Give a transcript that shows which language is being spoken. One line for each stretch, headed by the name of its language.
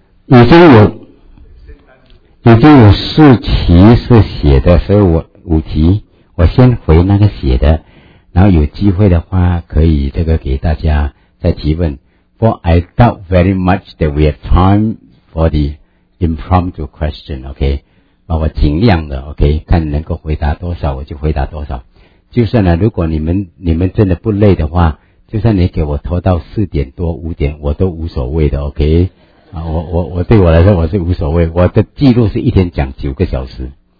Chinese: 已经有四题是写的，所以五题我先回那个写的，然后有机会的话可以这个给大家再提问。
English: For I doubt very much that we have time for the impromptu question, OK?
Chinese: 那我尽量的 OK, 看能够回答多少我就回答多少。就算呢，如果你们真的不累的话，就算你给我拖到四点多五点我都无所谓的 OK? 啊，我对我来说我是无所谓，我的记录是一天讲九个小时。